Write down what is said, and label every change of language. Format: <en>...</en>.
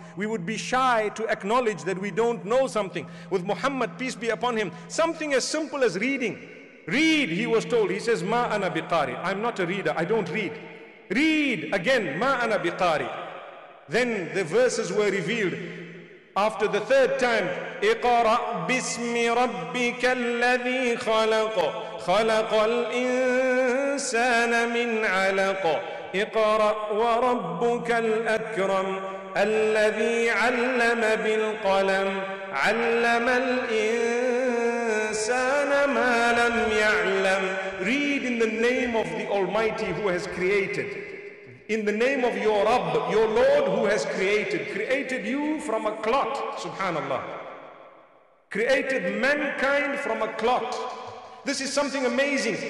<en>We would be shy to acknowledge that we don't know something. With Muhammad, peace be upon him, something as simple as reading. Read, he was told. He says,</en> <ar>Ma ana biqari.</ar> <en>I'm not a reader. I don't read. Read again,</en> <ar>Ma ana biqari.</ar> <en>Then the verses were revealed. After the third time,</en> <ar>اقرأ باسم ربك الذي خلق خلق الإنسان من علق اقرأ وربك الأكرم الذي علم بالقلم علم الإنسان ما لم يعلم.</ar> <en>Read in the name of the Almighty who has created. In the name of your Rabb, your Lord, who has created you from a clot, subhanallah. Created mankind from a clot. This is something amazing.</en>